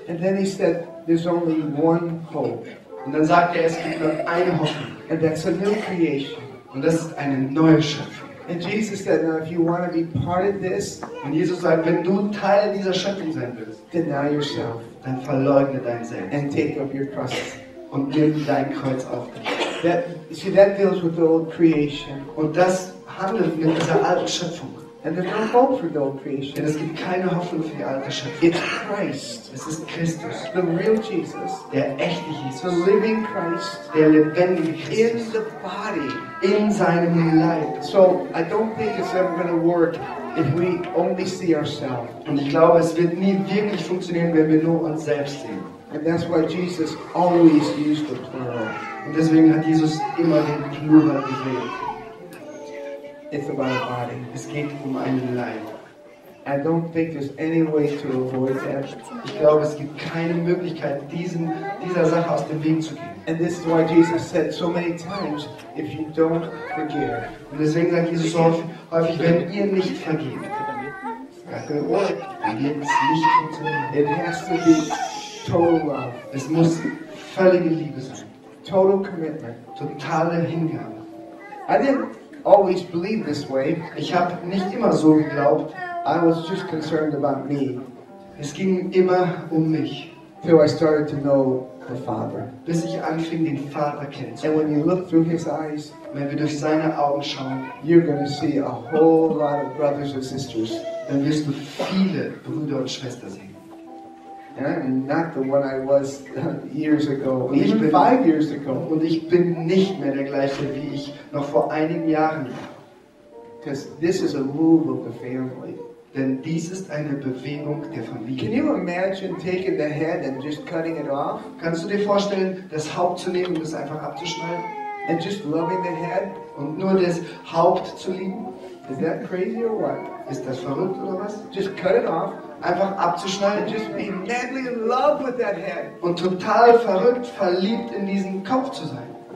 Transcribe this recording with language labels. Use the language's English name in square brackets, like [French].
[English] And then he said, there's only one hope. [German] Und dann sagte es gibt nur eine Hoffnung. [English] And that's a new creation. [German] Und das ist eine neue Schöpfung. [English] And Jesus said, now if you want to be part of this, [German] und Jesus sagt, wenn du Teil dieser Schöpfung sein willst, [English] deny yourself, [German] dann verleugne dein Selbst. [English] And take up your cross, [German] und nimm dein Kreuz auf dich. [English] That, see, that deals with the old creation. [German] Und das handelt mit dieser alten Schöpfung. [English] And there's no hope for the old creation. [German] Denn es gibt keine Hoffnung für die alte Schöpfung. [English] It's Christ. [German] Es ist Christus. [English] The real Jesus. [German] Der echte Jesus. [English] The living Christ. [German] Der lebendige Christus. [English] In the body. [German] In seinem Leib. [English] So, I don't think it's ever going to work if we only see ourselves. [German] Und ich glaube, es wird nie wirklich funktionieren, wenn wir nur uns selbst sehen. [English] And that's why Jesus always used the plural. [German] Und deswegen hat Jesus immer den Plural gewählt. [English] It's about a body. [German] Es geht einen Leib. [English] I don't think there's any way to avoid that. [German] Ich glaube, es gibt keine Möglichkeit, dieser Sache aus dem Weg zu gehen. [English] And this is why Jesus said so many times, if you don't forgive. [German] Und deswegen sagt Jesus so häufig, wenn ihr nicht vergebt. [English] That's good. It has to be total love. [German] Es muss völlige Liebe sein. [English] Total commitment. [German] Totale Hingabe. [English] I didn't always believe this way. [German] Ich habe nicht immer so geglaubt. [English] I was just concerned about me. [German] Es ging immer um mich. [English] Till I started to know the Father. [German] Bis ich anfing, den Vater kennenzulernen. [English] And when you look through his eyes, [German] wenn wir durch seine Augen schauen, [English] you're going to see a whole lot of brothers and sisters. [German] Dann wirst du viele Brüder und Schwestern sehen. [English] And not the one I was years ago. [German] Und ich bin [English] 5 years ago. [German] Und ich bin nicht mehr der gleiche, wie ich noch vor einigen Jahren war. [English] Because this is a move of the family. [German] Denn dies ist eine Bewegung der Familie. [English] Can you imagine taking the head and just cutting it off? [German] Kannst du dir vorstellen, das Haupt zu nehmen und es einfach abzuschneiden? [English] And just loving the head? [German] Und nur das Haupt zu lieben? [English] Is that crazy or what? [German] Ist das verrückt oder was? [English] Just cut it off. [German] Einfach abzuschneiden. [English] And just be madly in love with that head. [German] Und total verrückt, verliebt in diesen Kopf zu sein.